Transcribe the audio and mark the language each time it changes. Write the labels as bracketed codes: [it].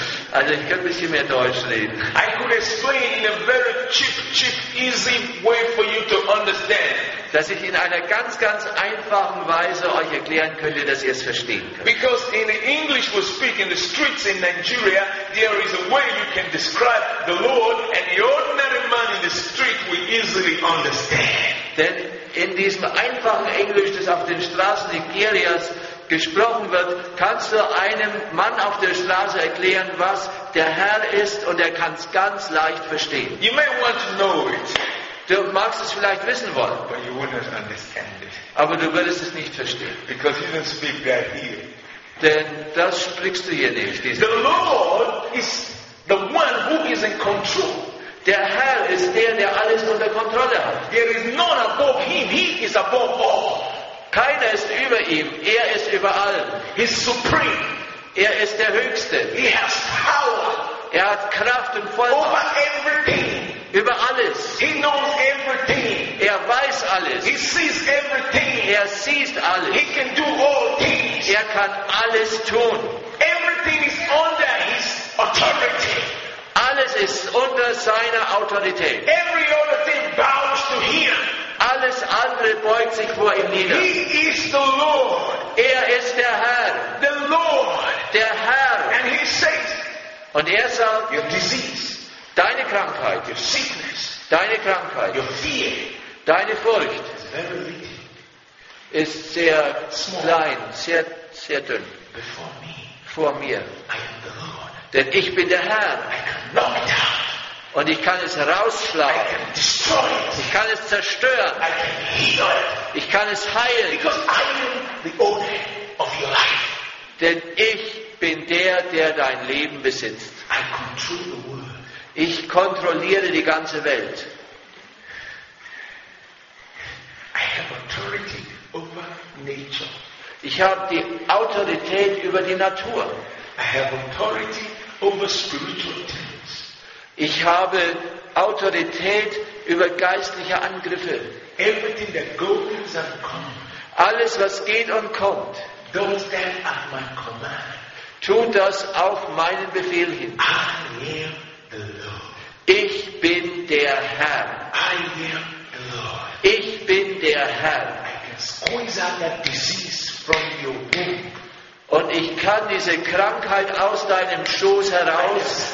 [de] Also ich könnte ein bisschen mehr Deutsch reden. [en] I could explain in a very cheap, easy way for you to understand. [de] Dass ich in einer ganz, ganz einfachen Weise euch erklären könnte, dass ihr es verstehen könnt. [en] Because in English we speak in the streets in Nigeria, there is a way you can describe the Lord and the ordinary man in the street will easily understand. [de] Denn in diesem einfachen Englisch, das auf den Straßen Nigerias gesprochen wird, kannst du einem Mann auf der Straße erklären, was der Herr ist, und er kann es ganz leicht verstehen. [en] You may want to know it. [de] Du magst es vielleicht wissen wollen, [en] but you wouldn't understand it. [de] Aber du würdest es nicht verstehen. [en] Because you don't speak that here. [de] Denn das sprichst du hier nicht. [en] The Lord is the one who is in control. [de] Der Herr ist der, der alles unter Kontrolle hat. [en] There is none above him. He is above all. [de] Keiner ist über ihm. Er ist über allem. [en] He's supreme. [de] Er ist der Höchste. [en] He has power. [de] Er hat Kraft und Vollmacht. [en] Over everything. [de] Über alles. [en] He knows everything. [de] Er weiß alles. [en] He sees everything. [de] Er sieht alles. [en] He can do all things. [de] Er kann alles tun. [en] Everything is under his authority. [de] Alles ist unter seiner Autorität. [en] Every other thing bows to him. [de] Alles andere beugt sich vor ihm nieder. [en] He is the Lord. [de] Er ist der Herr. [en] The Lord. [de] Der Herr. [en] And he says, [de] und er sagt, [en] your disease, [de] deine Krankheit, [en] your sickness, [de] deine Krankheit, [en] your fear, [de] deine Furcht, [en] very [de] ist sehr small, klein, sehr, sehr dünn. [en] Before me, [de] vor mir. [en] I am the Lord. [de] Denn ich bin der Herr. [en] I can knock it out. [de] Und ich kann es herausschlagen. [en] I can destroy it. [de] Ich kann es zerstören. [en] I can heal it. [de] Ich kann es heilen. [en] Because I am the owner of your life. [de] Denn ich bin der, der dein Leben besitzt. [en] I control the world. [de] Ich kontrolliere die ganze Welt. [en] I have authority over nature. [de] Ich habe die Autorität über die Natur. [en] I have authority over spiritual things. [de] Ich habe Autorität über geistliche Angriffe. [en] Everything that goes and comes. [de] Alles, was geht und kommt, [en] does that at my command. [de] Tut das auf meinen Befehl hin. [en] I am the Lord. [de] Ich bin der Herr. [en] I am the Lord. [de] Ich bin der Herr. [en] I can squeeze out that disease from your womb. [de] Und ich kann diese Krankheit aus deinem Schoß heraus